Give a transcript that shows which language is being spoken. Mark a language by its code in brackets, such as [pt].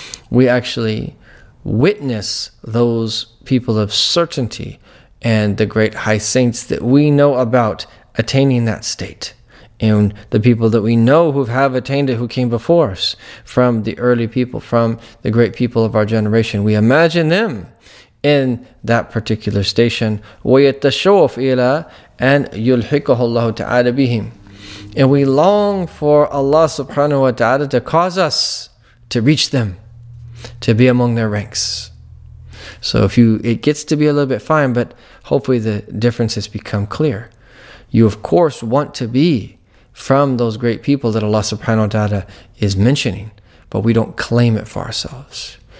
[en] We actually witness those people of certainty and the great high saints that we know about attaining that state. And the people that we know who have attained it, who came before us, from the early people, from the great people of our generation, we imagine them in that particular station. [ar] ويتشوف إلى أن يلحقه الله تعالى بهم. [en] And we long for Allah subhanahu wa ta'ala to cause us to reach them, to be among their ranks. So if you, it gets to be a little bit fine, but hopefully the difference has become clear. You of course want to be from those great people that Allah subhanahu wa ta'ala is mentioning, but we don't claim it for ourselves.